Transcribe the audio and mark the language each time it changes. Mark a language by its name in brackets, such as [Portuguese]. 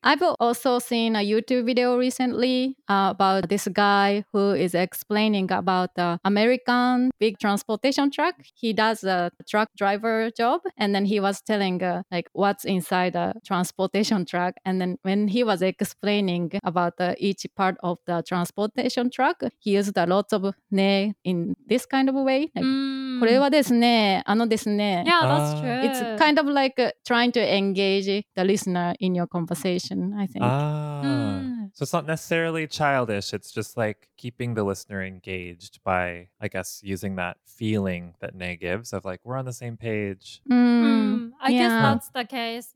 [English] I've also seen a YouTube video recently about this guy who is explaining about the American big transportation truck. He does a truck driver job and then he was telling like what's inside a transportation truck. And then when he was explaining about each part of the transportation truck, he used a lot of ne in this kind of way. Like, [Japanese] これはですね、あのですね。 [English] Yeah, that's true. It's kind of like trying to engage the listener in your conversation, I think. So it's not necessarily childish. It's just like keeping the listener engaged by, I guess, using that feeling that ne gives of like, we're on the same page. I guess that's the case.